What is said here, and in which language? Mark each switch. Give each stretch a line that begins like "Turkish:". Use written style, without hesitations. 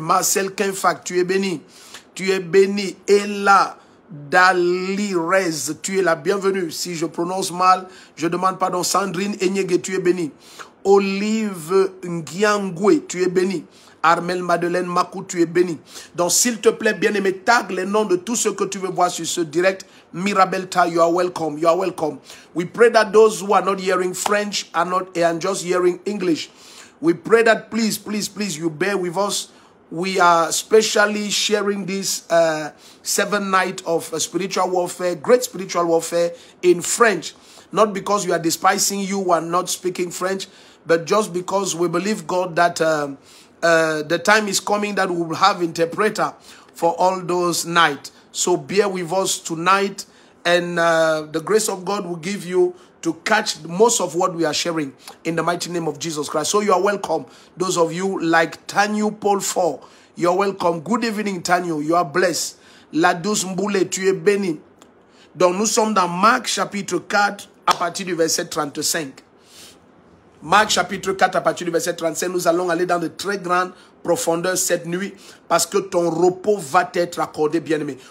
French: Marcel Kinfak, tu es béni. Tu es béni. Ella Dalirez, tu es la bienvenue. Si je prononce mal, je demande pardon. Sandrine Enyege, tu es béni. Olive Ngiangwe, tu es béni. Armel Madeleine Makou, tu es béni. Donc, s'il te plaît, bien-aimé, tag les noms de tous ceux que tu veux voir sur ce direct.
English: Mirabelta, you are welcome. You are welcome. We pray that those who are not hearing French are not and just hearing English. We pray that please, please, please, you bear with us. We are specially sharing this 7 nights of spiritual warfare, great spiritual warfare in French. Not because we are despising you who are not speaking French, but just because we believe God that the time is coming that we will have interpreter for all those nights. So bear with us tonight and the grace of God will give you to catch most of what we are sharing in the mighty name of Jesus Christ. So you are welcome. Those of you like Tanyu Paul 4, you are welcome. Good evening, Tanyu. You are blessed.
French: La douce Mboule, tu es béni. Donc nous sommes dans Marc chapitre 4 à partir du verset 35. Marc chapitre 4 à partir du verset 35, nous allons aller dans de très grandes profondeurs cette nuit parce que ton repos va t'être accordé, bien-aimé.